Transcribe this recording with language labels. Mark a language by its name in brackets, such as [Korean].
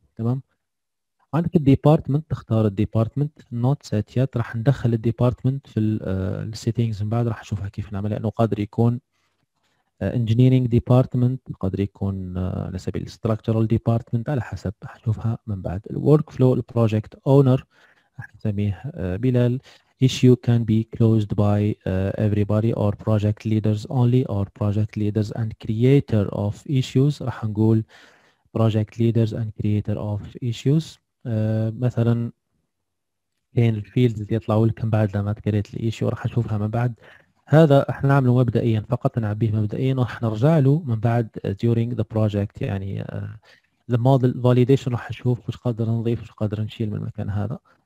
[Arabic] تمام، عندك الديبارتمنت، تختار الديبارتمنت، نوت ساتيات، راح ندخل الديبارتمنت في السيتنجز من بعد، راح اشوفها كيف نعمل، لانه قادر يكون انجينيرنج ديبارتمنت، قادر يكون على سبيل الاستراكشرال ديبارتمنت، على حسب، اشوفها من بعد. الورك فلو، البروجكت اونر راح نسميه بلال. [English] Issue can be closed by everybody or project leaders only or project leaders and creator of issues. [Arabic] راح نقول [English] project leaders and creator of issues. [Arabic] مثلا كاين الفيلد اللي يطلعوا لك من بعد لما تكريت الايشيو، راح نشوفها من بعد. هذا احنا نعمله مبدئيا فقط، نعبيه مبدئيا وراح نرجع له من بعد [English] during the project، [Arabic] يعني [English] the model validation، [Arabic] راح نشوف وش قادر نضيف وش قادر نشيل من المكان هذا.